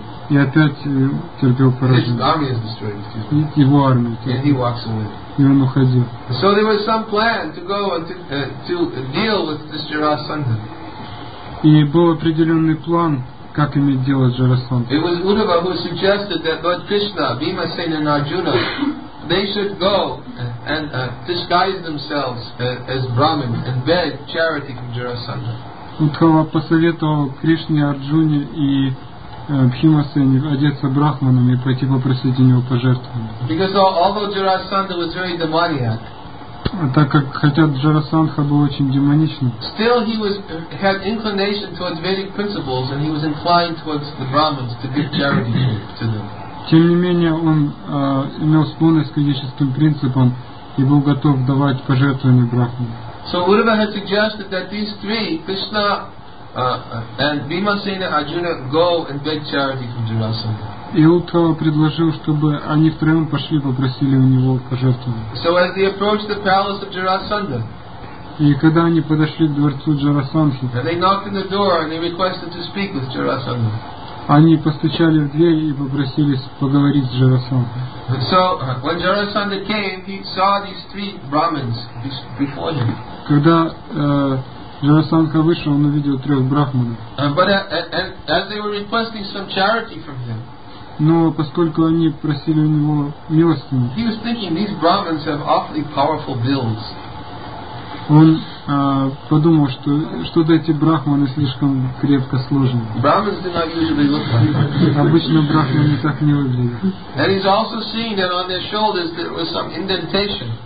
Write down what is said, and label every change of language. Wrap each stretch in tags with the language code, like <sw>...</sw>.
<ru>И опять терпел поражение. И его армия. И он уходил.</ru> <en>So there was some plan to go and to deal with this Jarasandha.</en> <ru>И был определенный план, как иметь дело с Джарасандхой.</ru> <en>It was Uddhava who suggested that Lord Krishna, Bhimasena and Arjuna, they should go and disguise themselves as Brahmin and beg charity from Jarasandha.</en> <ru>Уддхава посоветовал Кришне, Арджуне и Бхимасене одеться брахманами и пойти попросить у него пожертвования.</ru> <en>Because although Jarasandha was very demoniac,</en> <ru>так как хотя Джарасандха был очень демоничным,</ru> <en>still he was had inclination towards Vedic principles and he was inclined towards the Brahmins to give charity to them.</en> <ru>Тем не менее, он имел склонность к ведическим принципам и был готов давать пожертвования брахманам.</ru> <en>So Uddhava had suggested that these three, Krishna and Bhimasena Arjuna, go and beg charity from Jarasandha.</en> <ru>И Uddhava предложил, чтобы они втроем пошли попросили у него пожертвования.</ru> <en>So as they approached the palace of Jarasandha,</en> <ru>и когда они подошли к дворцу Джарасандхи,</ru> <en>they knocked on the door and they requested to speak with Jarasandha.</en> <ru>Они постучали в дверь и попросились поговорить с Джарасандхой.</ru> <en>So, when Jarasandha came, he saw these three Brahmins before him.</en> <ru>Когда Джарасандха вышел, он увидел трех брахманов.</ru> <en>As they were requesting some charity from him,</en> <ru>но поскольку они просили у него милостыню,</ru> <en>he was thinking these Brahmins have awfully powerful bills.</en> <ru>Он подумал, что что-то эти брахманы слишком крепко сложены. Обычно брахманы так не выглядят.</ru>